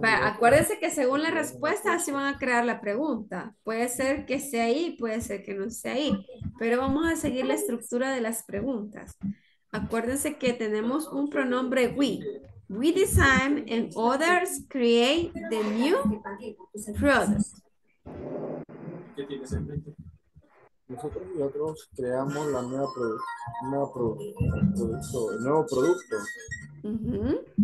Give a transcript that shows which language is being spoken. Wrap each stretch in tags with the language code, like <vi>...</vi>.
<es>Pero acuérdense que según la respuesta, así van a crear la pregunta. Puede ser que esté ahí, puede ser que no esté ahí. Pero vamos a seguir la estructura de las preguntas. Acuérdense que tenemos un pronombre we.</es> <en>We design and others create the new product.</en> <es>Nosotros y otros creamos la nueva producto, el nuevo producto.</es>